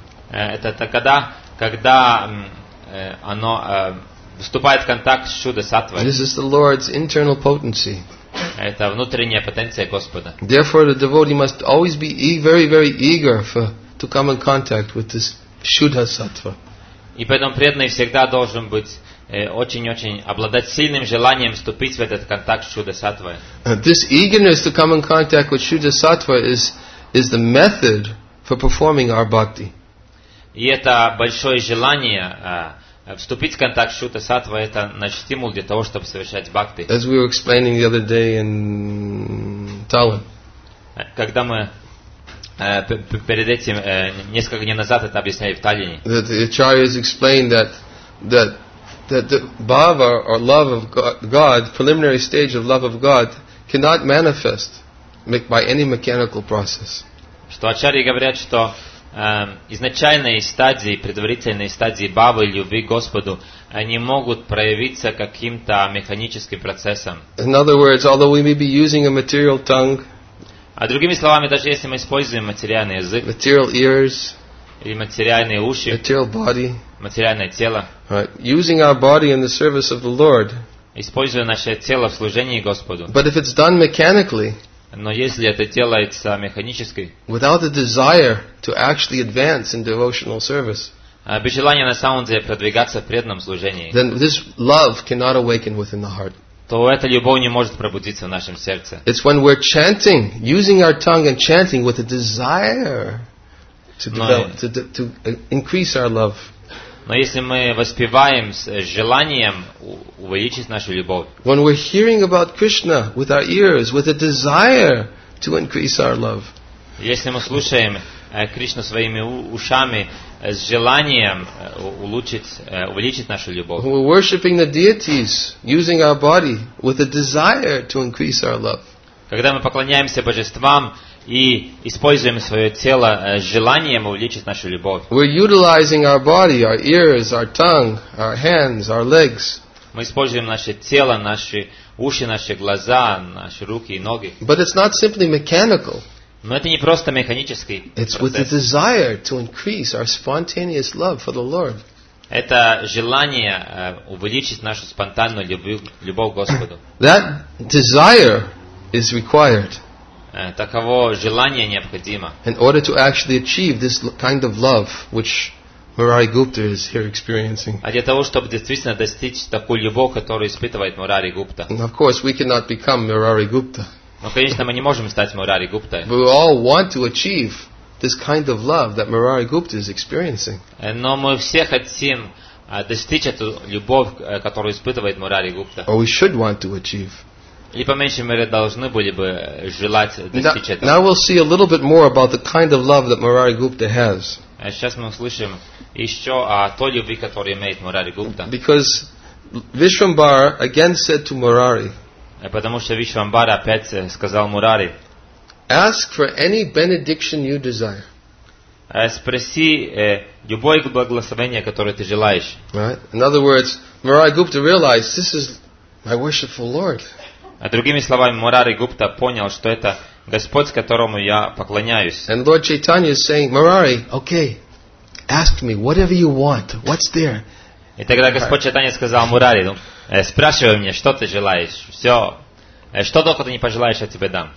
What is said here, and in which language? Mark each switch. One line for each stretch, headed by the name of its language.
Russian: Это когда оно вступает в контакт с чудо-саттвой.
English: This is the Lord's internal potency.
Russian: Это внутренняя потенция Господа.
English: Therefore, the devotee must always be very, very eager to come in contact with this shuddha-sattva.
Russian: И поэтому преданный всегда должен быть очень-очень обладать сильным желанием вступить в этот контакт с чудо-саттвой.
English: This eagerness to come in contact with shuddha-sattva is the method for performing our bhakti.
Russian: И это большое желание вступить в контакт с чудо-саттвой — это наш стимул для того, чтобы совершать бхакти.
English: As we were explaining the other day in Tallinn.
Russian: Когда мы перед этим несколько дней назад это объясняли в Таллине.
English: The acharyas explained that the bhava or love of God, preliminary stage of love of God, cannot manifest by any mechanical process.
Russian: Что ачарьи говорят, что изначальные стадии, предварительные стадии бхавы, любви к Господу, они могут проявиться каким-то механическим процессом.
English: In other words, although we may be using a material tongue,
Russian: а другими словами, даже если мы используем материальный язык,
English: material ears,
Russian: или материальные уши,
English: material body,
Russian: материальное тело,
English: right, using our body in the service of the Lord,
Russian: используя наше тело в служении Господу.
English: But if it's done mechanically,
Russian: но если это делается механически,
English: without the desire to actually advance in devotional service,
Russian: без желания на самом деле продвигаться в преданном служении,
English: then this love cannot awaken within the heart.
Russian: То эта любовь не может пробудиться в нашем сердце.
English: It's when we're chanting, using our tongue and chanting with a desire to increase our love.
Russian: Но если мы воспеваем с желанием увеличить нашу любовь.
English: When we're hearing about Krishna with our ears, with a desire to increase our love.
Russian: Если мы слушаем Кришну своими ушами с желанием увеличить нашу любовь.
English: When we're worshiping the deities, using our body with a desire to increase our love.
Russian: Когда мы поклоняемся божествам и используем свое тело с желанием увеличить нашу любовь.
English: We're utilizing our body, our ears, our tongue, our hands, our legs.
Russian: Мы используем наше тело, наши уши, наши глаза, наши руки и ноги.
English: But it's not simply mechanical.
Russian: Но это не просто механический процесс.
English: It's with the desire to increase our spontaneous love for the Lord.
Russian: Это желание увеличить нашу спонтанную любовь к Господу.
English: That desire is required.
Russian: Таково желание необходимо.
English: In order to actually achieve this kind of love, which Murari Gupta is here experiencing.
Russian: А для того, чтобы действительно достичь такую любовь, которую испытывает Мурари Гупта.
English: Of course, we cannot become Murari Gupta.
Russian: Но, конечно, мы не можем стать Мурари Гуптой.
English: We all want to achieve this kind of love that Murari Gupta is experiencing.
Russian: Но мы все хотим достичь эту любовь, которую испытывает Мурари Гупта.
English: Or we should want to achieve.
Russian: И по меньшей мере должны были бы желать достичь этого.
English: Now we'll see a little bit more about the kind of love that Murari Gupta has.
Russian: Сейчас мы услышим еще о той любви, которую имеет Мурари Гупта.
English: Because Вишвамбара again said to Murari.
Russian: Потому что Вишвамбара опять сказал Мурари.
English: Ask for any benediction you desire.
Russian: Спроси любое благословение, которое ты желаешь.
English: Right. In other words, Murari Gupta realized this is my worshipful Lord.
Russian: А другими словами, Мурари Гупта понял, что это Господь, которому я поклоняюсь.
English: And Lord Chaitanya is saying, Murari, okay, ask me whatever you want. What's there?
Russian: И тогда Господь Чайтанья сказал Мурари, ну, спрашивай меня, что ты желаешь. Все, что только ты не пожелаешь, я тебе дам.